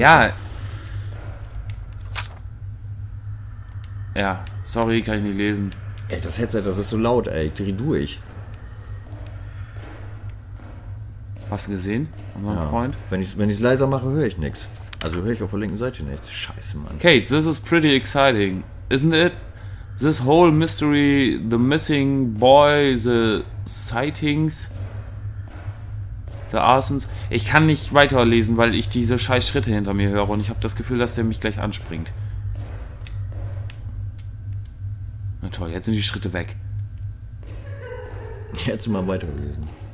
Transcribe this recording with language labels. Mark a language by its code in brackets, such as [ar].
[de] Ja, ja, sorry, kann ich nicht lesen. Ey, das Headset, das ist so laut, ey. Ich dreh durch. Hast du gesehen, unser Freund? Wenn ich's leiser mache, höre ich nichts. Also höre ich auf der linken Seite nichts. Scheiße, Mann. [en] Kate, this is pretty exciting, isn't it? This whole mystery, the missing boy, the sightings, the arsons. [de] Ich kann nicht weiterlesen, weil ich diese scheiß Schritte hinter mir höre und ich habe das Gefühl, dass der mich gleich anspringt. Na toll, jetzt sind die Schritte weg. Jetzt mal weitergelesen.